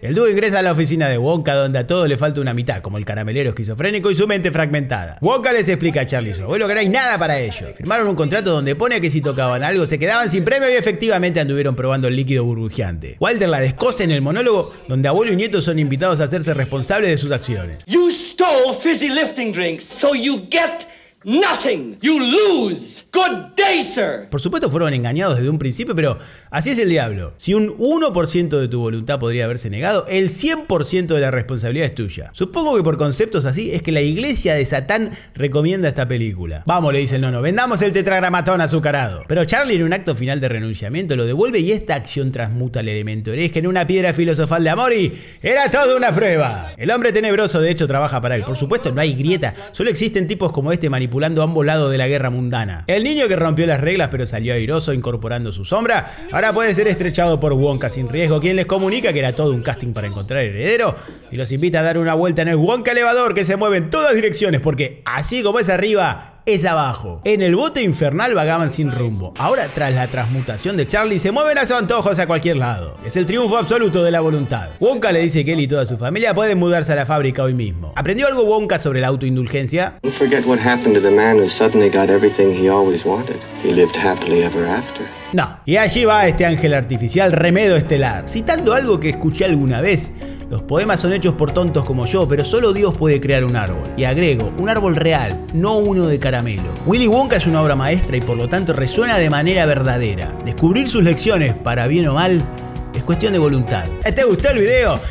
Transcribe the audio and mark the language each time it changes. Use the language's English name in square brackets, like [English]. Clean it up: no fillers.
[Spanish] El dúo ingresa a la oficina de Wonka, donde a todo le falta una mitad, como el caramelero esquizofrénico y su mente fragmentada. Wonka les explica a Charlie eso. Vos no queráis nada para ello. Firmaron un contrato donde pone que si tocaban algo se quedaban sin premio y efectivamente anduvieron probando el líquido burbujeante. Walter la descoce en el monólogo, donde abuelo y nieto son invitados a hacerse responsables de sus acciones. [English] You stole fizzy lifting drinks, so you get nothing. You lose. Good day, sir. [Spanish] Por supuesto fueron engañados desde un principio, pero así es el diablo. Si un 1% de tu voluntad podría haberse negado, el 100% de la responsabilidad es tuya. Supongo que por conceptos así es que la iglesia de Satán recomienda esta película. Vamos, le dice el nono, vendamos el tetragramatón azucarado. Pero Charlie, en un acto final de renunciamiento, lo devuelve y esta acción transmuta el elemento hereje en una piedra filosofal de amor y era toda una prueba. El hombre tenebroso de hecho trabaja para él. Por supuesto no hay grieta, solo existen tipos como este manipulando ambos lados de la guerra mundana. El niño que rompió las reglas pero salió airoso incorporando su sombra, ahora puede ser estrechado por Wonka sin riesgo, quien les comunica que era todo un casting para encontrar heredero y los invita a dar una vuelta en el Wonka elevador que se mueve en todas direcciones porque así como es arriba, es abajo. En el bote infernal vagaban sin rumbo. Ahora, tras la transmutación de Charlie, se mueven a su antojo hacia cualquier lado. Es el triunfo absoluto de la voluntad. Wonka le dice que él y toda su familia pueden mudarse a la fábrica hoy mismo. ¿Aprendió algo Wonka sobre la autoindulgencia? [English] Don't forget what happened to the man who suddenly got everything he always wanted. He lived happily ever after. No. [Spanish] Y allí va este ángel artificial, Remedo Estelar, citando algo que escuché alguna vez. Los poemas son hechos por tontos como yo, pero solo Dios puede crear un árbol. Y agrego, un árbol real, no uno de caramelo. Willy Wonka es una obra maestra y por lo tanto resuena de manera verdadera. Descubrir sus lecciones, para bien o mal, es cuestión de voluntad. ¿Te gustó el video?